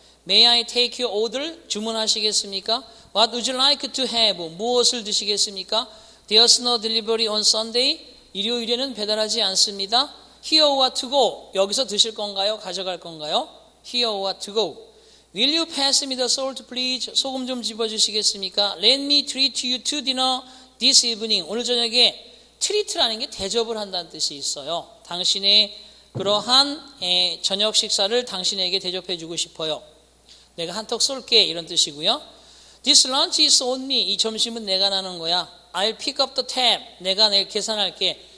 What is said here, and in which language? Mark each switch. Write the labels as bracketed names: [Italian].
[English] May I take your order? [Korean] 주문하시겠습니까? [English] What would you like to have? [Korean] 무엇을 드시겠습니까? [English] There's no delivery on Sunday. [Korean] 일요일에는 배달하지 않습니다. [English] Here or to go? [Korean] 여기서 드실 건가요? 가져갈 건가요? [English] Here or to go? Will you pass me the salt, please? [Korean] 소금 좀 집어주시겠습니까? [English] Let me treat you to dinner this evening. [Korean] 오늘 저녁에 treat라는 게 대접을 한다는 뜻이 있어요. 당신의 그러한 저녁 식사를 당신에게 대접해 주고 싶어요. 내가 한턱 쏠게 이런 뜻이고요. [English] This lunch is on me. [Korean] 이 점심은 내가 나는 거야. [English] I'll pick up the tab. [Korean] 내가 계산할게.